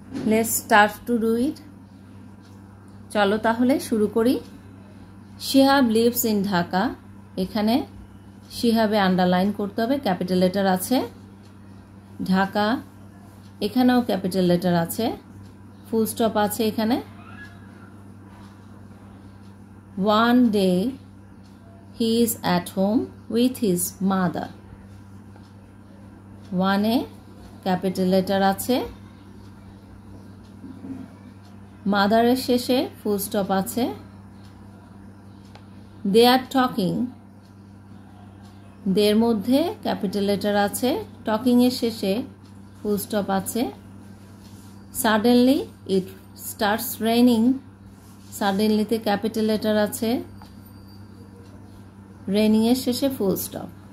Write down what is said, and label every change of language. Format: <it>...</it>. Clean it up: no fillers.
<en>Let's start to do it.</en> <bn>চলো তাহলে শুরু করি।</bn> <en>Shihab lives in Dhaka,</en> <bn>এখানে শিহাবে আন্ডারলাইন করতে হবে, ক্যাপিটাল লেটার আছে। ঢাকা, এখানেও ক্যাপিটাল লেটার আছে, ফুল স্টপ আছে এখানে।</bn> <en>One day, he is at home with his mother. One</en> <bn>capital letter আছে, মাদারের শেষে ফুল স্টপ আছে,</bn> <en>they are talking,</en> <bn>দের মধ্যে ক্যাপিটাল লেটার আছে, টকিংয়ের শেষে ফুল স্টপ আছে,</bn> <en>suddenly it starts raining,</en> <bn>সাডেনলিতে capital letter আছে, রেইনিংয়ের শেষে ফুল স্টপ।</bn>